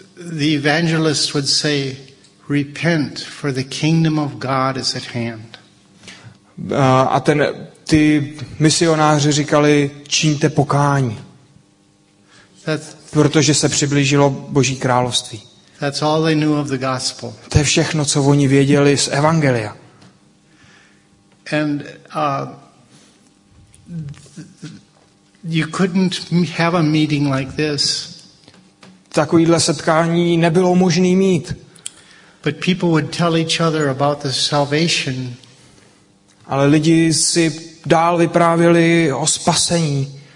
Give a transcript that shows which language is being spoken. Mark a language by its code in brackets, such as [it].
[en] The evangelist would say, "Repent, for the kingdom of God is at hand." [cs] A ty misionáři říkali, "Čiňte pokání." Protože se přiblížilo Boží království. [en] That's all they knew of the gospel. [cs] To je všechno, co oni věděli z evangelia. [en] And you couldn't have a meeting like this. [cs] Takovýhle setkání nebylo možné mít. [en] But people would tell each other about the salvation. [cs] Ale lidi si dál vyprávěli o spasení.